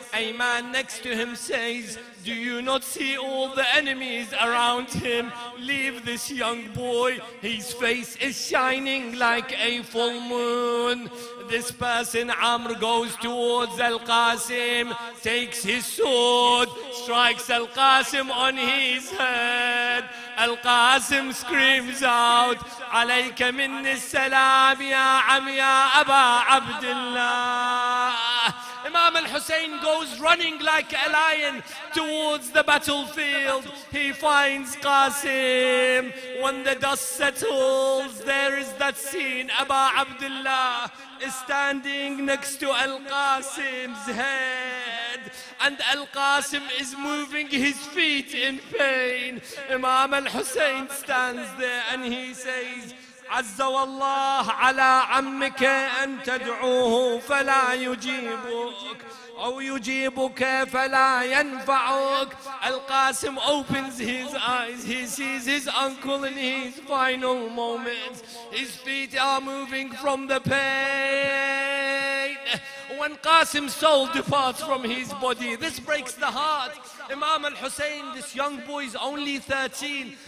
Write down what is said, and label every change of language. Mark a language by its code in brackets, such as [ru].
[en] A man next to him says, do you not see all the enemies around him? Leave this young boy. His face is shining like a full moon. This person, Amr, goes towards al-Qasim, takes his sword, strikes al-Qasim on his head. [ar] Al-Qasim [en] screams out, [ar] عليك من السلام يا عم يا أبا عبد الله. [en] Imam al-Hussein goes running like a lion towards the battlefield. He finds Qasim. When the dust settles, there is that scene. Aba Abdullah is standing next to Al-Qasim's head. And Al-Qasim is moving his feet in pain. Imam al-Hussein stands there and he says, [ar] عز والله على عمك أن تدعوه فلا يجيبك أو يجيبك فلا ينفعك. [en] القاسم opens his eyes. He sees his uncle in his final moments. His feet are moving from the pain. When Qasim's soul departs from his body, this breaks the heart. Imam al-Hussein, this young boy is only 13.